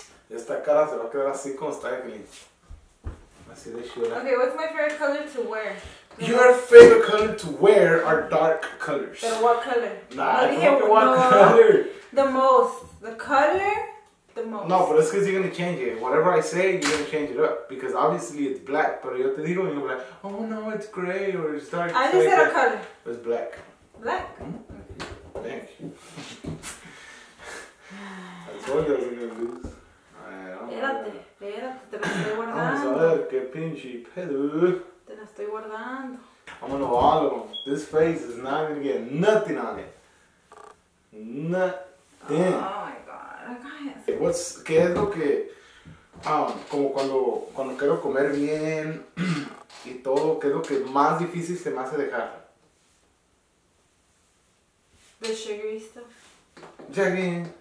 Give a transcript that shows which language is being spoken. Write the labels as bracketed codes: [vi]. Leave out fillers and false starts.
[es] Esta cara se va a quedar así como está de feliz. [en] Okay, what's my favorite color to wear? Your favorite color to wear are dark colors. But what color? Nah, I don't know what color. The most. The color, the most. No, but it's because you're going to change it. Whatever I say, you're going to change it up. Because obviously it's black. But [es] yo te digo, [en] you're going to be like, oh no, it's gray or it's dark. I just said a color. It's black. Black? Thank you. I told you I was going to lose. Alright, This face is not gonna get nothing on it. Nothing. Oh my god, I can't. [es] What's qué es lo que como cuando quiero comer bien y todo, qué es lo que más difícil se me hace dejar? [en] The sugary stuff. [es] Ya bien.